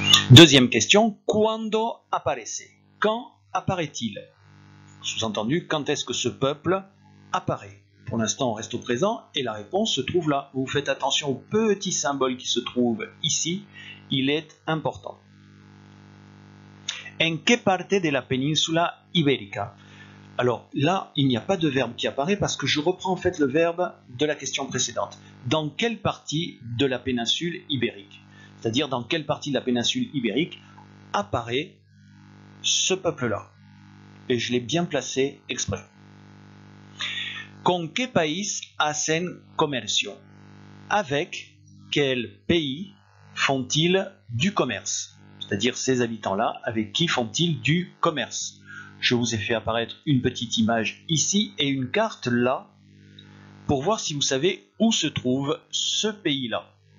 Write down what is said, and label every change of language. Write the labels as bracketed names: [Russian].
[French] Deuxième question, [Spanish] cuando aparece? [French] Quand apparaît-il? Sous-entendu, quand est-ce que ce peuple apparaît? Pour l'instant, on reste au présent et la réponse se trouve là. Vous faites attention au petit symbole qui se trouve ici, il est important. [Spanish] En qué parte de la península ibérica? [French] Alors là, il n'y a pas de verbe qui apparaît parce que je reprends en fait le verbe de la question précédente. Dans quelle partie de la péninsule ibérique? C'est-à-dire dans quelle partie de la péninsule ibérique apparaît ce peuple-là? Et je l'ai bien placé exprès. [Spanish] Con qué país hacen comercio? [French] Avec quel pays font-ils du commerce? C'est-à-dire ces habitants-là, avec qui font-ils du commerce? Je vous ai fait apparaître une petite image ici et une carte là pour voir si vous savez où se trouve ce pays-là.